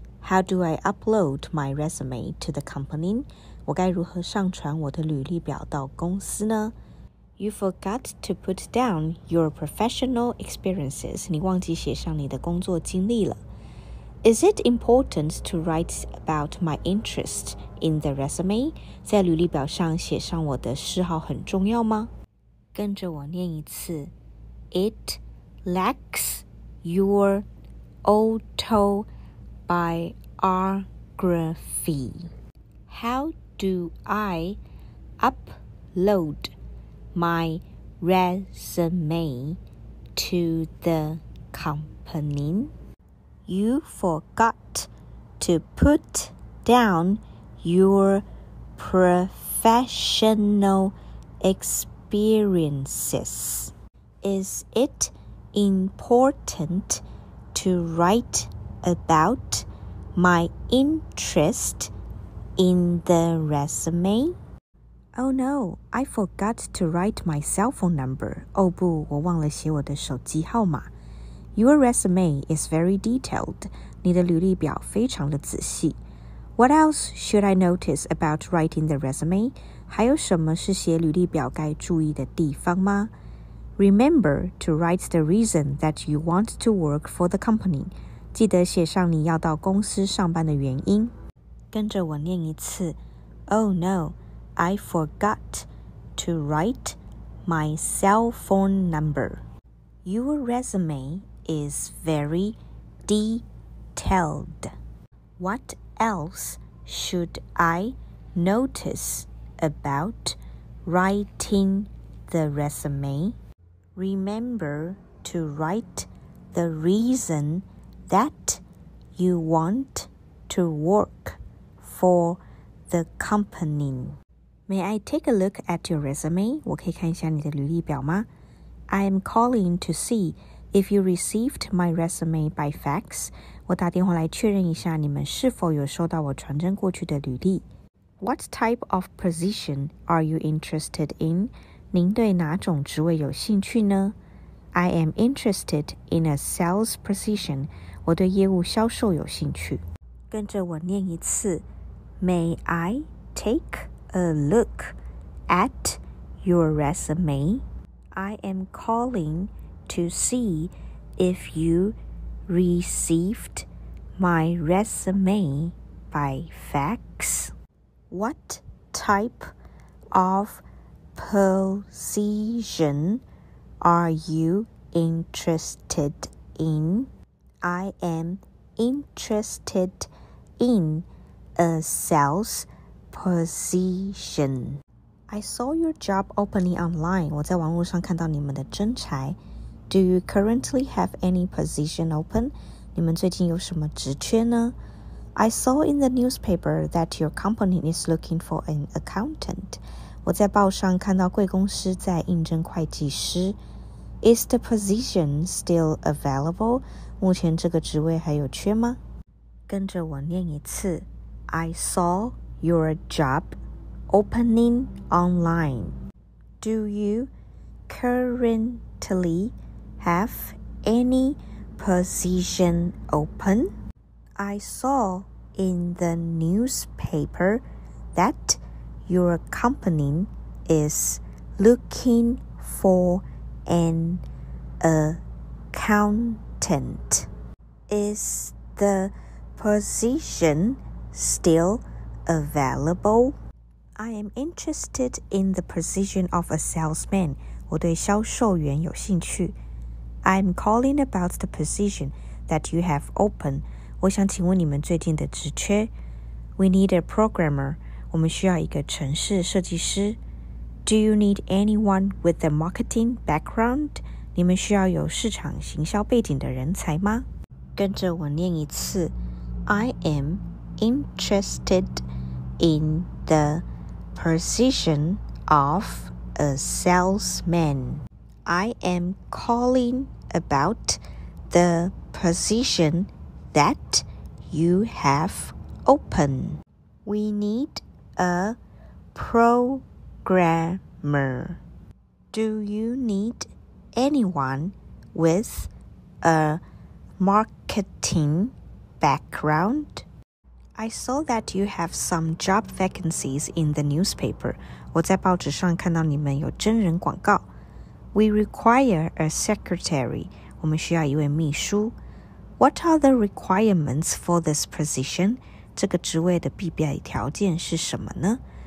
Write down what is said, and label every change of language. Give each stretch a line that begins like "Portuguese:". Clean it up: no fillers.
English: How do I upload my resume to the company?
Chinese: 我该如何上传我的履历表到公司呢？
English: You forgot to put down your professional experiences.
Chinese: 你忘记写上你的工作经历了。
English: Is it important to write about my interest in the resume?
Chinese: 在履历表上写上我的嗜好很重要吗？跟着我念一次。
English: It lacks your autobiography. How do I upload? My resume to the company. You forgot to put down your professional experiences. Is it important to write about my interest in the resume? Oh no, I forgot to write my cell phone number.
Chinese: 哦不，我忘了写我的手机号码。
English: Your resume is very detailed.
Chinese: 你的履历表非常的仔细。
English: What else should I notice about writing the resume?
Chinese: 还有什么是写履历表该注意的地方吗？
English: Remember to write the reason that you want to work for the company.
Chinese: 记得写上你要到公司上班的原因。跟着我念一次。
English: Oh no. I forgot to write my cell phone number. Your resume is very detailed. What else should I notice about writing the resume? Remember to write the reason that you want to work for the company. May I take a look at your resume?
Chinese: 我可以看一下你的履历表吗?
English: I am calling to see if you received my resume by fax.
Chinese: 我打电话来确认一下你们是否有收到我传真过去的履历。
English: What type of position are you interested in?
Chinese: 您对哪种职位有兴趣呢?
English: I am interested in a sales position.
Chinese: 我对业务销售有兴趣。跟着我念一次。
English: May I take... A look at your resume. I am calling to see if you received my resume by fax. What type of position are you interested in? I am interested in a sales. Position. I saw your job opening online.
Chinese: 我在网络上看到你们的征才。
English: Do you currently have any position open?
Chinese: 你们最近有什么职缺呢?
English: I saw in the newspaper that your company is looking for an accountant.
Chinese: 我在报上看到贵公司在应征会计师。
English: Is the position still available?
Chinese: 目前这个职位还有缺吗? 跟着我念一次。
English: I saw... Your job opening online. Do you currently have any position open? I saw in the newspaper that your company is looking for an accountant. Is the position still available? I am interested in the position of a salesman.
Chinese: 我对销售员有兴趣。
English: I am calling about the position that you have open.
Chinese: 我想请问你们最近的职缺。
English: We need a programmer.
Chinese: 我们需要一个程式设计师。
English: Do you need anyone with a marketing background?
Chinese: 你们需要有市场行销背景的人才吗？跟着我念一次。
English: I am interested. In the position of a salesman. I am calling about the position that you have open. We need a programmer. Do you need anyone with a marketing background? I saw that you have some job vacancies in the newspaper.
Chinese: 我在报纸上看到你们有真人广告。
English: We require a secretary.
Chinese: 我们需要一位秘书。
English: What are the requirements for this position?
Chinese: 这个职位的必备条件是什么呢？